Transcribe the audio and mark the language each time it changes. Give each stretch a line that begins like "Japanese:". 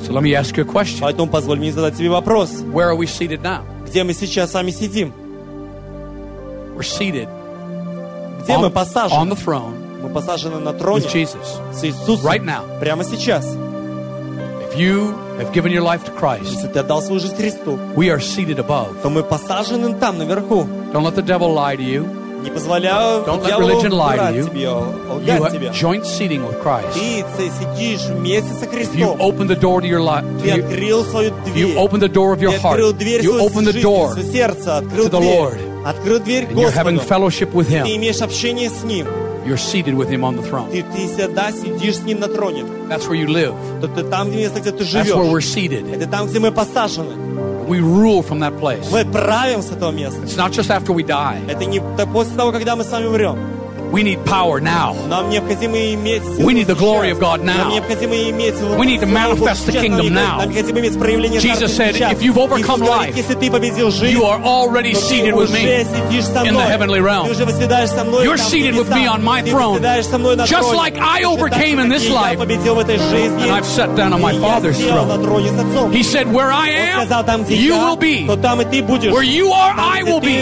English: So let me ask you a question. Where are we seated now? We're seated on the throne with Jesus right now. If you have given your life to Christ,
Russian: если ты отдал свою жизнь Христу,
English: we are seated above.
Russian: То мы посажены там, наверху.
English: Don't let the devil lie to you.
Russian: Не позволяю
English: Don't let religion
Russian: лгать
English: лie to you.
Russian: Тебе,
English: you have joint seating with Christ.
Russian: Ты сидишь вместе со Христом.
English: You open the door to your life.
Russian: Ты открыл свою дверь.
English: You open the door of your heart.
Russian: Ты открыл дверь
English: you open the door
Russian: своего сердца. Открыл
English: to the
Russian: дверь.
English: Lord.
Russian: Открыл дверь
English: And
Russian: Господу.
English: You're having fellowship with Him.
Russian: Ты имеешь общение с Ним.
English: You're seated with Him on the throne.
Russian: Ты всегда сидишь с Ним на троне.
English: That's where you live.
Russian: Это там, где ты живешь.
English: That's where we're seated.
Russian: Это там, где мы посажены.
English: We rule from that place.
Russian: Мы правим с этого места.
English: It's not just after we die.
Russian: Это не после того, когда мы с вами умрем.
English: We need power now.
Russian: Нам необходимо иметь силу.
English: We need the glory of God now.
Russian: Нам необходимо иметь силу.
English: We need to manifest the kingdom now.
Russian: Нам необходимо иметь проявление
English: Царства. Jesus said, if you've overcome life,
Russian: если ты победил жизнь,
English: you are already seated with me in the heavenly realm. You're seated with me on my throne. Just like I overcame in this life, and I've sat down on my Father's throne. He said, where I am, you will be. Where you are, I will be.